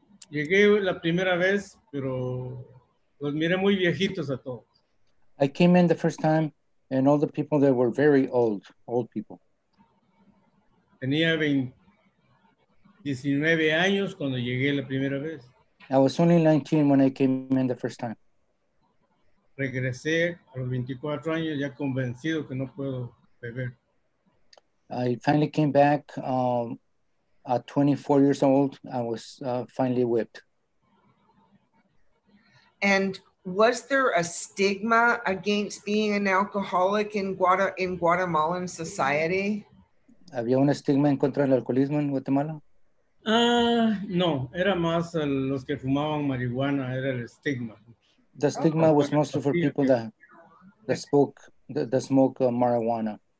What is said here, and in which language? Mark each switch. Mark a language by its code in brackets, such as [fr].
[es] Llegué la primera vez, pero los miré muy viejitos a todos. [en] I came in the first time, and all the people there were very old people. [es] Tenía 19 años cuando llegué la primera vez. [en] I was only 19 when I came in the first time. [es] Regresé a los 24 años ya convencido que no puedo beber. [en] I finally came back at 24 years old. I was finally whipped. And was there a stigma against being an alcoholic in Guatemalan society? [es] ¿Había un estigma en contra del alcoholismo en Guatemala? No, era más los que fumaban marihuana, era el estigma. [en] The stigma was mostly for people that smoke marijuana.